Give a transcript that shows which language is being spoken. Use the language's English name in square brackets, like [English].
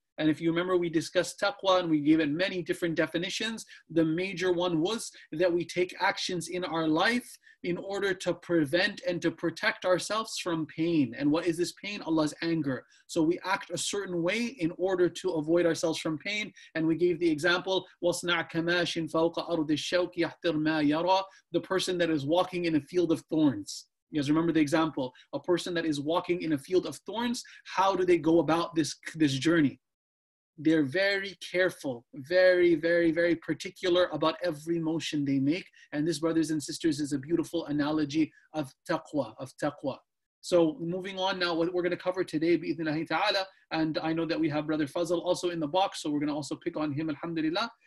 [English] And if you remember, we discussed taqwa and we gave it many different definitions. The major one was that we take actions in our life in order to prevent and to protect ourselves from pain. And what is this pain? Allah's anger. So we act a certain way in order to avoid ourselves from pain. And we gave the example, [Arabic] وَصْنَعْ كَمَاشٍ فَوْقَ أَرْضِ الشَّوْكِ يَحْتِرْ مَا يَرَى. [English] The person that is walking in a field of thorns. You guys remember the example, a person that is walking in a field of thorns, how do they go about this journey? They're very careful, very, very, very particular about every motion they make. And this, brothers and sisters, is a beautiful analogy of taqwa, So moving on now, what we're going to cover today, bi-idhnillahi ta'ala, and I know that we have Brother Fazl also in the box, so we're going to also pick on him, alhamdulillah.